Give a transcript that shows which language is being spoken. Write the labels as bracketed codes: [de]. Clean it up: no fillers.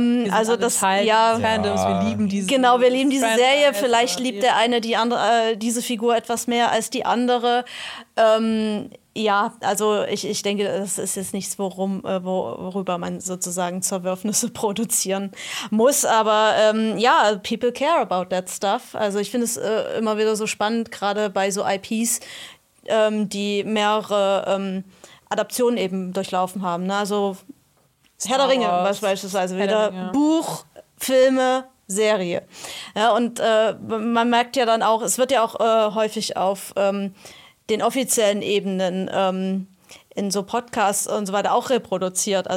[de] Fandoms, wir lieben diese Serie. Genau, wir lieben diese Serie. Vielleicht liebt der eine die andere, diese Figur etwas mehr als die andere. Ich denke, das ist jetzt nichts, worüber man sozusagen Zerwürfnisse produzieren muss. Aber [en] people care about that stuff. [de] Also ich finde es immer wieder so spannend, gerade bei so IPs, die mehrere Adaptionen eben durchlaufen haben. Ne? Also Herr der Ringe beispielsweise, wieder Buch, Filme, Serie. Ja, und man merkt ja dann auch, es wird ja auch häufig auf den offiziellen Ebenen in so Podcasts und so weiter auch reproduziert.